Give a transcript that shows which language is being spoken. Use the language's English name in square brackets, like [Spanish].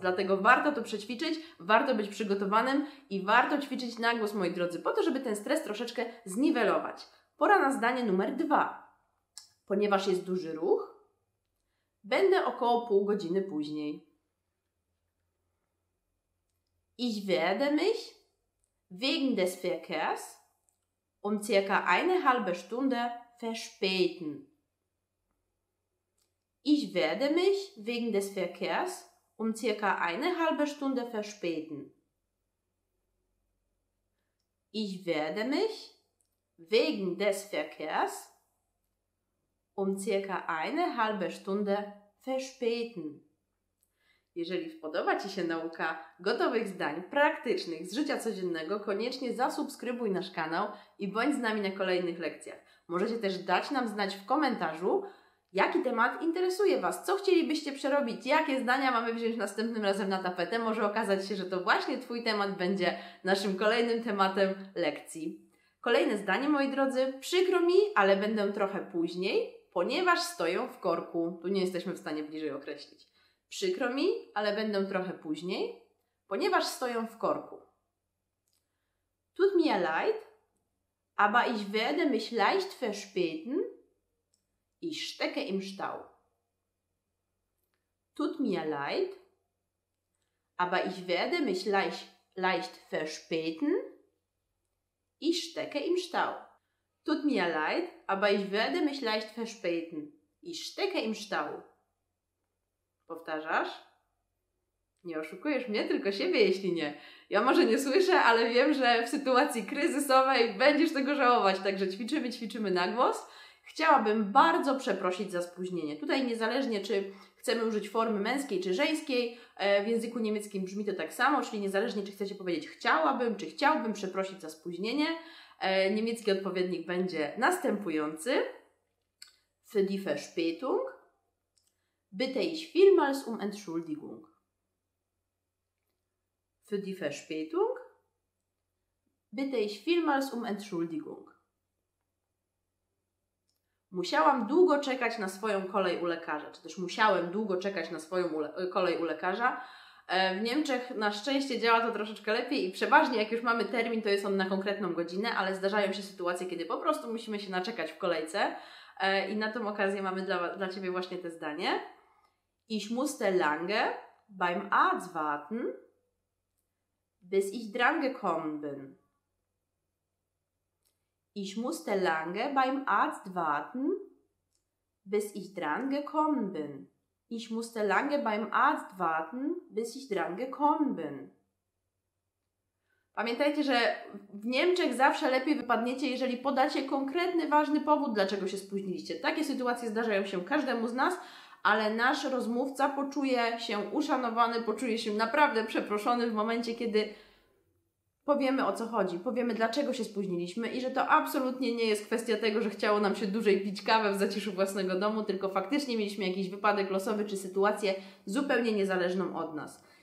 [Polish] Dlatego warto to przećwiczyć, warto być przygotowanym i warto ćwiczyć na głos, moi drodzy, po to, żeby ten stres troszeczkę zniwelować. Pora na zdanie numer 2. Ponieważ jest duży ruch, będę około 30 minut później. [German] Ich werde mich wegen des Verkehrs circa eine halbe Stunde verspäten. Ich werde mich wegen des Verkehrs circa eine halbe Stunde verspäten. Ich werde mich wegen des Verkehrs circa eine halbe Stunde verspäten. [Polish] Jeżeli podoba Ci się nauka gotowych zdań praktycznych z życia codziennego, koniecznie zasubskrybuj nasz kanał i bądź z nami na kolejnych lekcjach. Możecie też dać nam znać w komentarzu, jaki temat interesuje Was? Co chcielibyście przerobić? Jakie zdania mamy wziąć następnym razem na tapetę? Może okazać się, że to właśnie Twój temat będzie naszym kolejnym tematem lekcji. Kolejne zdanie, moi drodzy. Przykro mi, ale będę trochę później, ponieważ stoję w korku. Tu nie jesteśmy w stanie bliżej określić. Przykro mi, ale będę trochę później, ponieważ stoję w korku. [German] Tut mir leid, aber ich werde mich leicht verspäten. Ich stecke im Stau. Tut mir leid, aber ich werde mich leicht verspäten. Ich stecke im Stau. Tut mir leid, aber ich werde mich leicht verspäten. Ich stecke im Stau. [Polish] Powtarzasz? Nie oszukujesz mnie, tylko siebie, jeśli nie. Ja może nie słyszę, ale wiem, że w sytuacji kryzysowej będziesz tego żałować, także ćwiczymy na głos. Chciałabym bardzo przeprosić za spóźnienie. Tutaj niezależnie, czy chcemy użyć formy męskiej czy żeńskiej, w języku niemieckim brzmi to tak samo, czyli niezależnie, czy chcecie powiedzieć chciałabym, czy chciałbym przeprosić za spóźnienie, niemiecki odpowiednik będzie następujący. [German] Für die Verspätung. Bitte ich vielmals Entschuldigung. Für die Verspätung. Bitte ich vielmals Entschuldigung. [Polish] Musiałam długo czekać na swoją kolej u lekarza, czy też musiałem długo czekać na swoją kolej u lekarza. W Niemczech na szczęście działa to troszeczkę lepiej i przeważnie jak już mamy termin, to jest on na konkretną godzinę, ale zdarzają się sytuacje, kiedy po prostu musimy się naczekać w kolejce i na tą okazję mamy dla Ciebie właśnie te zdanie. [German] Ich musste lange beim Arzt warten, bis ich dran gekommen bin. Ich musste lange beim Arzt warten, bis ich dran gekommen bin. Ich musste lange beim Arzt warten, bis ich dran gekommen bin. [Polish] Pamiętajcie, że w Niemczech zawsze lepiej wypadniecie, jeżeli podacie konkretny, ważny powód, dlaczego się spóźniliście. Takie sytuacje zdarzają się każdemu z nas, ale nasz rozmówca poczuje się uszanowany, poczuje się naprawdę przeproszony w momencie, kiedy powiemy, o co chodzi, powiemy, dlaczego się spóźniliśmy i że to absolutnie nie jest kwestia tego, że chciało nam się dłużej pić kawę w zaciszu własnego domu, tylko faktycznie mieliśmy jakiś wypadek losowy czy sytuację zupełnie niezależną od nas.